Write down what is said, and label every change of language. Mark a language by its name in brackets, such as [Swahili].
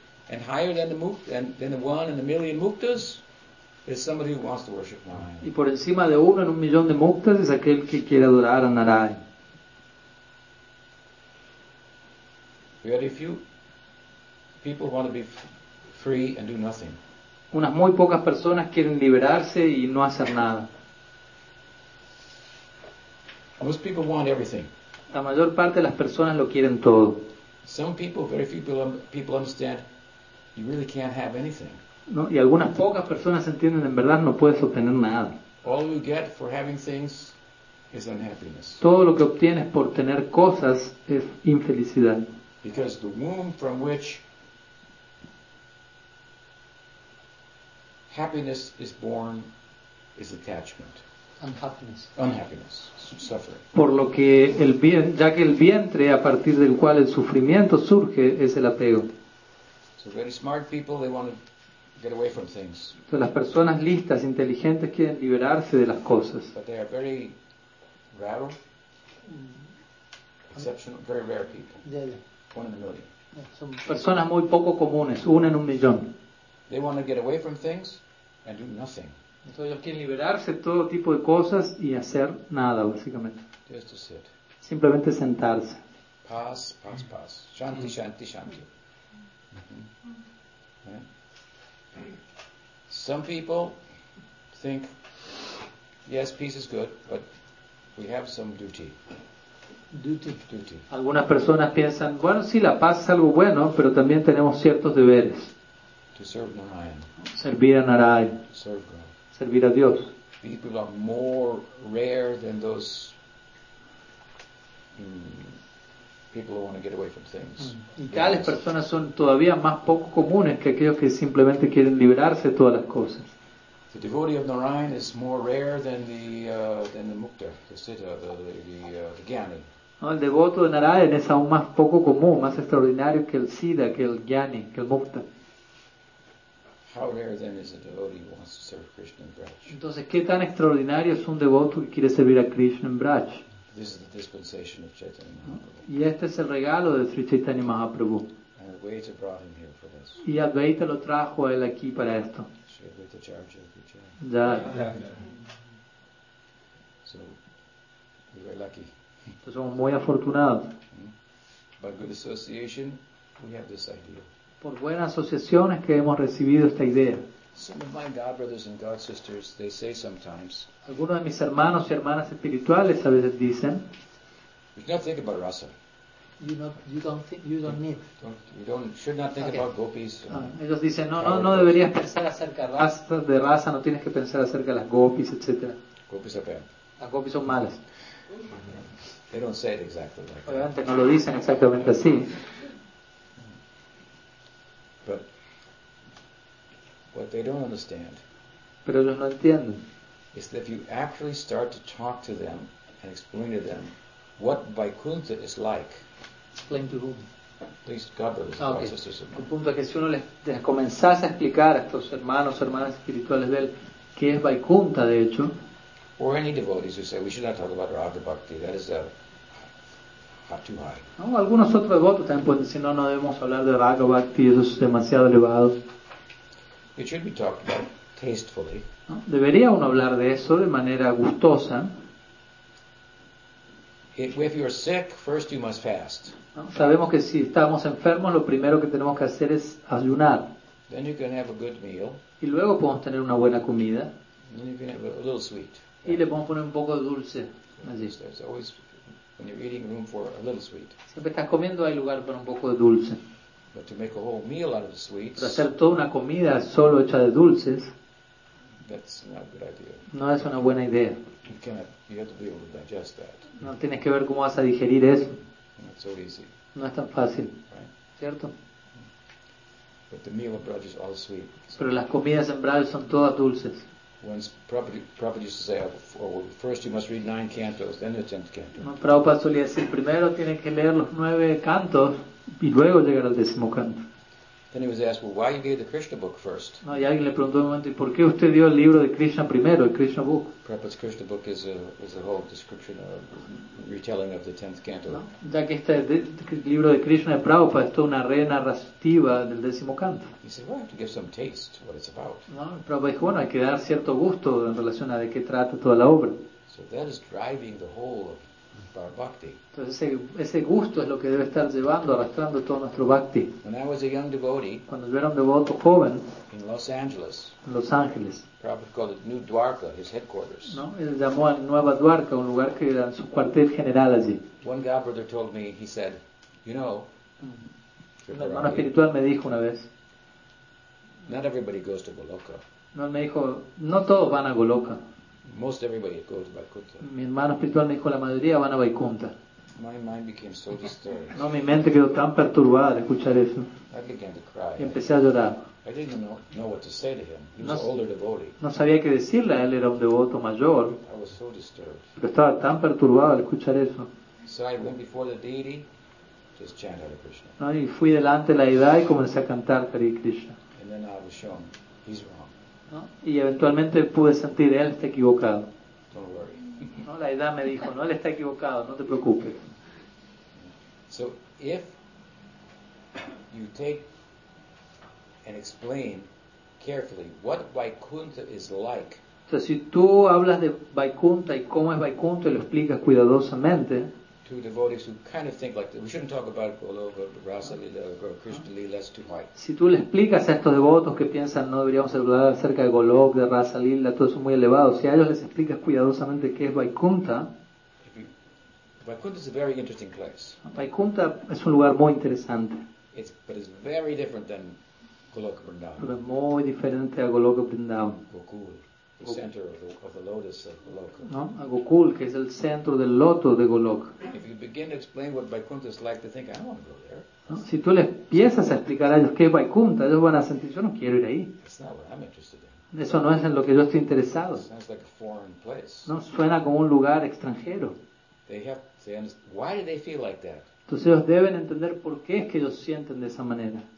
[English] And higher than the one in a million muktas is somebody who wants to worship Narayana. [Spanish] Y por encima de uno en un millón de muktas es aquel que quiere adorar a Narayana. [English] Very few people want to be free and do nothing. [Spanish] Unas muy pocas personas quieren liberarse y no hacer nada. [English] Most people want everything. [Spanish] La mayor parte de las personas lo quieren todo. [English] Some people, very few people understand you really can't have anything. [Spanish] No, y algunas pocas personas entienden en verdad no puedes obtener nada. [English] All you get for having things is unhappiness. [Spanish] Todo lo que obtienes por tener cosas es infelicidad. [English] Because the womb from which happiness is born is attachment. Unhappiness. Suffering. [Spanish] Por lo que el vientre a partir del cual el sufrimiento surge es el apego. [English] So very smart people, they want to get away from things. [Spanish] So las personas listas, inteligentes quieren liberarse de las cosas. [English] But they are very rare, exceptional, very rare people. One in a million. [Spanish] Personas muy poco comunes, una en un millón. [English] They want to get away from things and do nothing. [Spanish] Entonces ellos quieren liberarse de todo tipo de cosas y hacer nada, básicamente. [English] Just to sit. [Spanish] Simplemente sentarse. Paz, paz, paz. Shanti, shanti, shanti. [English] Right? Some people think, yes, peace is good, but we have some duty. Duty. [Spanish] Algunas personas piensan, bueno, sí, la paz es algo bueno, pero también tenemos ciertos deberes. [English] To serve Narayana. [Spanish] Servir a Narayana. [English] Serve God. [Spanish] Servir a Dios. [English] People are more rare than those people who want to get away from things. [Spanish] Y tales personas son todavía más poco comunes que aquellos que simplemente quieren liberarse de todas las cosas. [English] The devotee of Narayana is more rare than the mukta, the siddha, the gyani. [Spanish] No, el devoto de Narayana es aún más poco común, más extraordinario que el siddha, que el gyani, que el mukta. [English] How rare then is a devotee who wants to serve Krishna in Braj? [Spanish] Entonces, ¿qué tan extraordinario es un devoto que quiere servir a Krishna en Braj? [English] This is the dispensation of Chaitanya Mahaprabhu. [Spanish] Y este es el regalo de Sri Chaitanya Mahaprabhu. [English] And Advaita brought him here for this. [Spanish] Y Advaita lo trajo a él aquí para esto. [English] Sri Advaita Charja, good job. So, we were lucky. [Spanish] Entonces, somos muy afortunados. [English] By good association, we have this idea. [Spanish] Por buenas asociaciones que hemos recibido esta idea. [English] Some of my God brothers and God sisters, they say sometimes. [Spanish] Algunos de mis hermanos y hermanas espirituales a veces dicen. [English] You should not think about rasa. You don't need. You should not think about gopis. [Spanish] Ellos dicen no deberías pensar acerca de raza, no tienes que pensar acerca de las gopis, etc. [English] Gopis are bad. [Spanish] Las gopis son malas. [English] They don't say it exactly like that. [Spanish] Obviamente no lo dicen exactamente así. [English] But what they don't understand, [Spanish] pero ellos no entienden, [English] is that if you actually start to talk to them and explain to them what Vaikuntha is like, explain to whom? These God brothers, okay. God sisters. [Spanish] El punto es que si uno les comenzase a explicar a estos hermanos, hermanas espirituales de él, qué es Vaikuntha, de hecho, [English] or any devotees who say we should not talk about Radha Bhakti, that is too high. [Spanish] No, algunos otros devotos también pueden decir no debemos hablar de Raga Bhakti, eso es demasiado elevado. [English] It should be talked about tastefully. [Spanish] ¿No? Debería uno hablar de eso de manera gustosa. [English] If you are sick, first you must fast. [Spanish] Sabemos que si estamos enfermos, lo primero que tenemos que hacer es ayunar. [English] Then you can have a good meal. [Spanish] Y luego podemos tener una buena comida. [English] Then you can have a little sweet. [Spanish] Y le podemos poner un poco de dulce. [English] There's always, when you're eating, room for a little sweet. [Spanish] Siempre estás comiendo, hay lugar para un poco de dulce. [English] But to make a whole meal out of the sweets. [Spanish] Para hacer toda una comida solo hecha de dulces. [English] That's not a good idea. [Spanish] No es una buena idea. [English] You have to be able to digest that. [Spanish] No tienes que ver cómo vas a digerir eso. [English] Not so easy. [Spanish] No es tan fácil. [English] Right. [Spanish] ¿Cierto? [English] But the meal of Braj is all sweet. [Spanish] Pero las comidas en Braj son todas dulces. [English] Once Prabhupada used to say, oh, first you must read 9 cantos, then the 10th canto. [Spanish] No, Prabhupada solía decir, primero tienes que leer los 9 cantos y luego llegar al 10º canto. [English] Then he was asked, well, why you gave the Krishna book first? [Spanish] No, y alguien le preguntó un momento, ¿y por qué usted dio el libro de Krishna primero, el Krishna book? [English] Prabhupada's Krishna book is a whole description of retelling of the 10th canto. [Spanish] No, ya que este libro de Krishna de Prabhupada es toda una re-narrativa del 10º canto. [English] He said, well, I have to give some taste to what it's about. [Spanish] No, Prabhupada dijo, bueno, hay que dar cierto gusto en relación a de qué trata toda la obra. [English] So that is driving the whole of bhakti. [Spanish] Entonces ese gusto es lo que debe estar llevando, arrastrando todo nuestro bhakti. [English] When I was a young devotee, [Spanish] cuando yo era un devoto joven, [English] in Los Angeles, [Spanish] en Los Ángeles, [English] Prabhupada called it New Dwarka, his headquarters. [Spanish] No, él llamó a Nueva Dwarka, un lugar que era su cuartel general allí. [English] One god brother told me, he said, you know, [Spanish] un hermano espiritual me dijo una vez, [English] not everybody goes to Goloka. [Spanish] No, me dijo, no todos van a Goloka. [English] Most everybody goes to Vaikuntha. [Spanish] Mi hermano espiritual me dijo la mayoría van a Vaikuntha. [English] My mind became so disturbed. [Spanish] No, mi mente quedó tan perturbada de escuchar eso. [English] I began to cry. [Spanish] Y empecé a llorar. [English] I didn't know what to say to him. He was an older devotee. [Spanish] No sabía qué decirle. Él era un devoto mayor. [English] I was so disturbed. [Spanish] Pero estaba tan perturbado al escuchar eso. [English] So I went before the deity, just chanted Hare Krishna. [Spanish] No, y fui delante de la deidad y comencé a cantar Hare Krishna. [English] And then I was shown, he's wrong. [Spanish] ¿No? Y eventualmente pude sentir, él está equivocado. [English] Don't worry. [Spanish] No, la edad me dijo, no, él está equivocado, no te preocupes. [English] So if you take and explain carefully what Vaikuntha is like. [Spanish] O sea, si tú hablas de Vaikuntha y cómo es Vaikuntha y lo explicas cuidadosamente. [English] To devotees who kind of think like that. We shouldn't talk about Goloka, Rasa Lila, or Krishna Lila, that's too high. [Spanish] Si tú le explicas a estos devotos que piensan no deberíamos hablar acerca de Goloka, de Rasa Lila, todo eso muy elevado, si a ellos les explicas cuidadosamente qué es Vaikuntha. [English] Vaikuntha is a very interesting place. [Spanish] Vaikuntha es un lugar muy interesante. [English] But it's very different than Goloka Vrindavan. [Spanish] Pero es muy diferente a Goloka Vrindavan. [English] Gokul. The center of the lotus of Goloka. [Spanish] No, a Gokul, que es el centro del loto de Goloka. [English] If you begin to explain what Vaikuntha is like, they think I don't want to go there. [Spanish] No, si tú le empiezas a explicar a ellos qué es Vaikuntha, ellos van a sentir yo no quiero ir ahí. [English] That's not what I'm interested in. [Spanish] Eso no es en lo que yo estoy interesado. [English] It sounds like a foreign place. [Spanish] No, suena como un lugar extranjero. [English] They understand. Why do they feel like that? [Spanish] Entonces ellos deben entender por qué es que ellos sienten de esa manera.